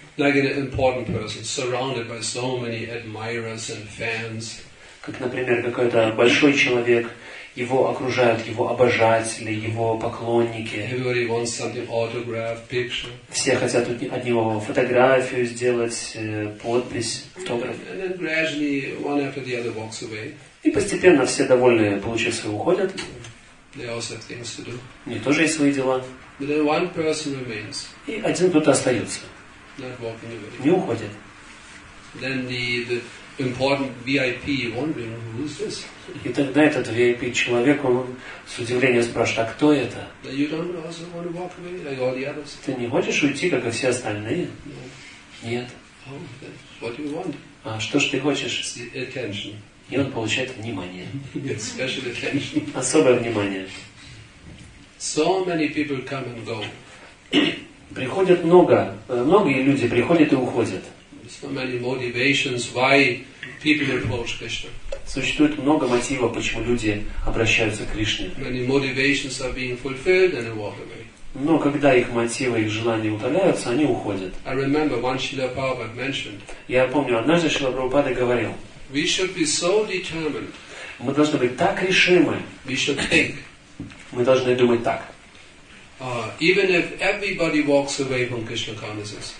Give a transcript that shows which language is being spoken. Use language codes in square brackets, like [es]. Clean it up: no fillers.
[en] Like an important person, surrounded by so many admirers and fans. [ru] Как, например, какой-то большой человек, его окружают его обожатели, его поклонники. [en] Everybody wants something autographed, picture. [ru] Все хотят от него фотографию сделать, подпись, автограф. [en] And then gradually, one after the other walks away. [ru] И постепенно все довольные, получив свое, уходят. [en] They also have things to do. [ru] У них тоже есть свои дела. [en] But then one person remains. [ru] И один кто-то остается. [en] Not walking away. [ru] Не уходит. [en] Then the important VIP wondering who is this? [ru] И тогда этот VIP человек, он с удивлением спрашивает, а кто это? [en] You don't also want to walk away like all the others. [ru] Ты не хочешь уйти, как и все остальные? [en] No. [ru] Нет. [en] Oh, what do you want? [ru] А что ж ты хочешь? [en] The attention. [ru] И он получает внимание. [en] Yes, special attention. [ru] Особое внимание. [en] So many people come and go. [ru] Приходят много, многие люди приходят и уходят. [en] So many motivations why people approach Krishna. [ru] Существует много мотивов, почему люди обращаются к Кришне. [en] Many motivations are being fulfilled and they walk away. [ru] Но когда их мотивы, их желания удаляются, они уходят. [en] I remember one Srila Prabhupada mentioned. [ru] Я помню, однажды Шрила Прабхупада говорил. [en] We should be so determined. [ru] Мы должны быть так решимы. [en] We should think. [ru] Мы должны думать так. [en] Even if everybody walks away from Krishna consciousness.